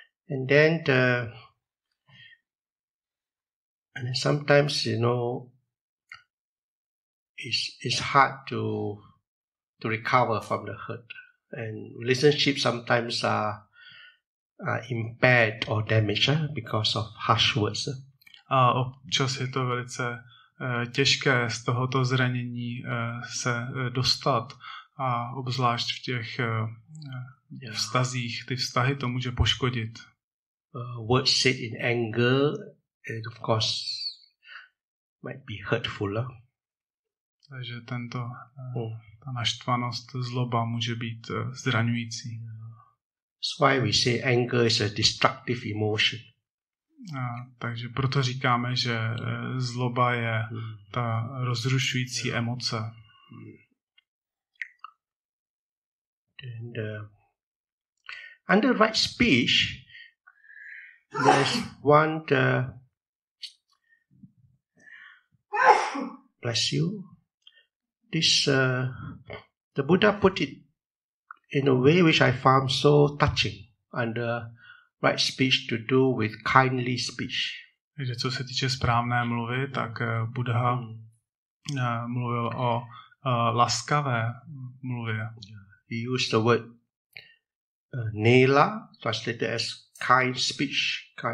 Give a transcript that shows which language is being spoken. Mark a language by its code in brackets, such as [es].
[en] And then and sometimes, you know, it's hard to recover from the hurt. And relationships sometimes are impaired or damaged because of harsh words. [cs] A občas je to velice těžké z tohoto zranění se dostat. A obzvlášť v těch vztazích, ty vztahy to může poškodit. [en] Words said in anger, and of course, might be hurtful. [cs] Takže tento, ta naštvanost, zloba může být zraňující. [en] That's why we say anger is a destructive emotion. [cs] Takže proto říkáme, že zloba je ta rozrušující emoce. [en] And under right speech, there's one to bless you. This the Buddha put it in a way which I found so touching. Under right speech to do with kindly speech. [cs] Takže co se týče správné mluvy, tak Buddha mluvil o laskavé mluvě. [en] He used the word nela, translated as kind speech.